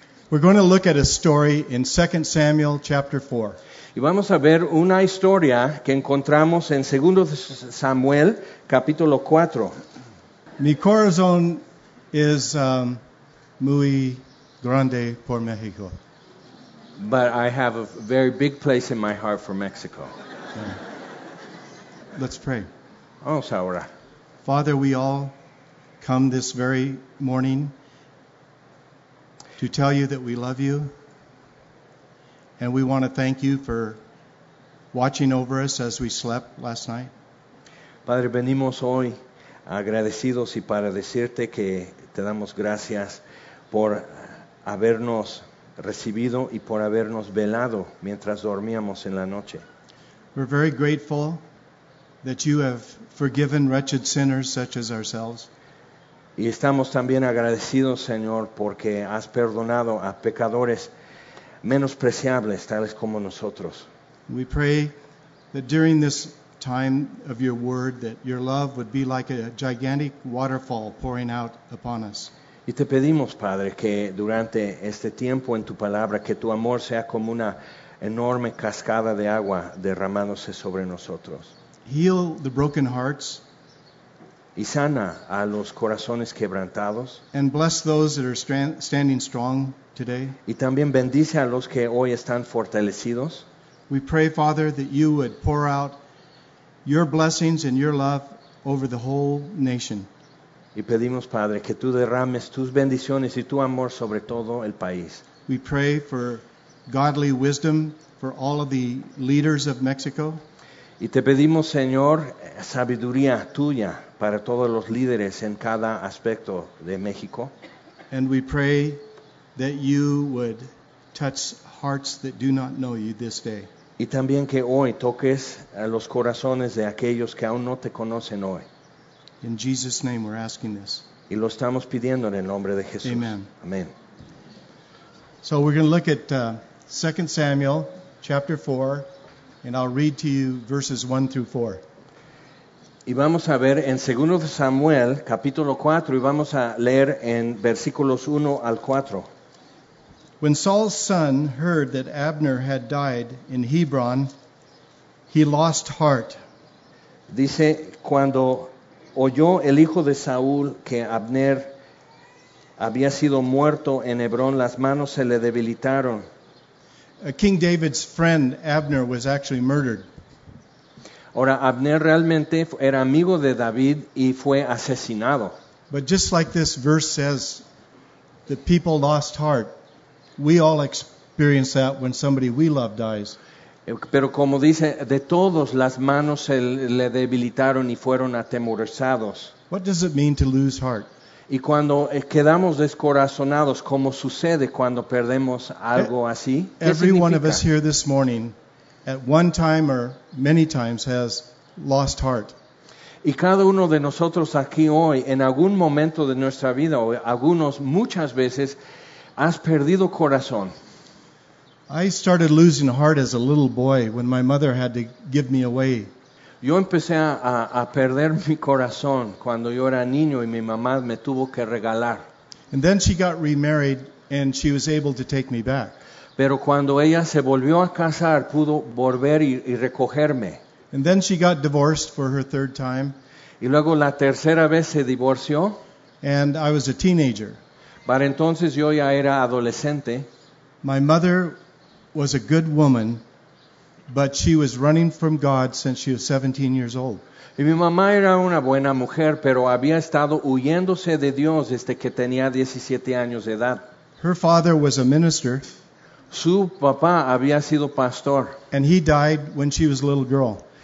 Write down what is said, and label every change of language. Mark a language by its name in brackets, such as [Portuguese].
[English] We're going to look at a story in 2 Samuel chapter 4. [Spanish] Y vamos a ver una historia que encontramos en 2 Samuel capítulo 4. Mi corazón es muy grande por México. [English] But I have a very big place in my heart for Mexico. Let's pray. [Spanish] Vamos a orar. [English] Father, we all come this very morning to tell you that we love you. And we want to thank you for watching over us as we slept last night. [Spanish] Padre, venimos hoy agradecidos y para decirte que te damos gracias por habernos recibido y por habernos velado mientras dormíamos en la noche. [English] We're very grateful that you have forgiven wretched sinners such as ourselves. [Spanish] Y estamos también agradecidos, Señor, porque has perdonado a pecadores menospreciables tales como nosotros. [English] We pray that during this time of your word that your love would be like a gigantic waterfall pouring out upon us. [Spanish] Y te pedimos, Padre, que durante este tiempo en tu palabra, que tu amor sea como una enorme cascada de agua derramándose sobre nosotros. [English] Heal the broken hearts. [Spanish] Y sana a los corazones quebrantados. [English] And bless those that are standing strong today. [Spanish] Y también bendice a los que hoy están fortalecidos. [English] We pray, Father, that you would pour out your blessings and your love over the whole nation. [Spanish] Y pedimos, Padre, que tú derrames tus bendiciones y tu amor sobre todo el país. [English] We pray for godly wisdom for all of the leaders of Mexico. [Spanish] Y te pedimos, Señor, sabiduría tuya para todos los líderes en cada aspecto de México. [English] And we pray that you would touch hearts that do not know you this day. [Spanish] Y también que hoy toques a los corazones de aquellos que aún no te conocen hoy. [English] In Jesus' name we're asking this. [Spanish] Y lo estamos pidiendo en el nombre de Jesús. [English] Amen. [Spanish] Amen. [English] So we're going to look at 2 Samuel chapter 4, and I'll read to you verses 1 through 4. [Spanish] Y vamos a ver en 2 Samuel capítulo 4, y vamos a leer en versículos 1 al 4. [English] When Saul's son heard that Abner had died in Hebron, he lost heart. [Spanish] Dice, cuando oyó el hijo de Saúl que Abner había sido muerto en Hebrón, las manos se le debilitaron. [English] King David's friend Abner was actually murdered. [Spanish] Ahora, Abner realmente era amigo de David y fue asesinado. [English] But just like this verse says, the people lost heart. We all experience that when somebody we love dies. [Spanish] Pero como dice, de todos las manos se le debilitaron y fueron atemorizados. [English] What does it mean to lose heart? [Spanish] Y cuando quedamos descorazonados, ¿cómo sucede cuando perdemos algo así? [English] Every one of us here this morning, at one time or many times, has lost heart. [Spanish] Y cada uno de nosotros aquí hoy, en algún momento de nuestra vida, o algunos muchas veces, has perdido corazón. [English] I started losing heart as a little boy when my mother had to give me away. [Spanish] Yo empecé a perder mi corazón cuando yo era niño y mi mamá me tuvo que regalar. [English] And then she got remarried and she was able to take me back. [Spanish] Pero cuando ella se volvió a casar, pudo volver y recogerme. [English] And then she got divorced for her third time. [Spanish] Y luego la tercera vez se divorció. [English] And I was a teenager. [Spanish] Para entonces yo ya era adolescente. [English] My mother was a good woman, but she was running from God since she was 17 years old. [Spanish] Y mi mamá era una buena mujer, pero había estado huyéndose de Dios desde que tenía 17 años de edad. [English] Her father was a minister. [Spanish] Su papá había sido pastor. [English] And he died when she was a little girl.